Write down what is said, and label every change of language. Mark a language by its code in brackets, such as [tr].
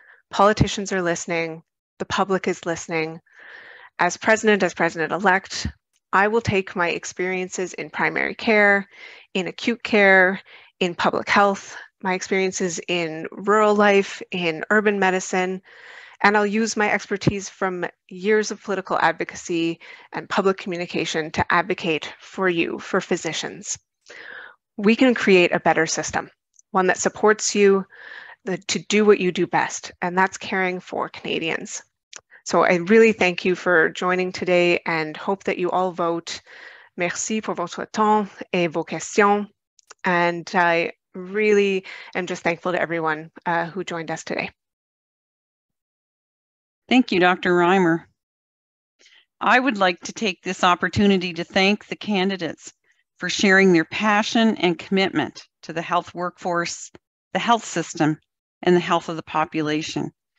[en] Politicians are listening. The public is listening. As president-elect, I will take my experiences in primary care, in acute care, in public health, my experiences in rural life, in urban medicine, and I'll use my expertise from years of political advocacy and public communication to advocate for you, for physicians. We can create a better system, one that supports you to do what you do best, and that's caring for Canadians. So I really thank you for joining today and hope that you all vote. [fr] Merci pour votre temps et vos questions. [en] And I really am just thankful to everyone who joined us today. Thank you, Dr. Reimer. I would like to take this opportunity to thank the candidates for sharing their passion and commitment to the health workforce, the health system, and the health of the population.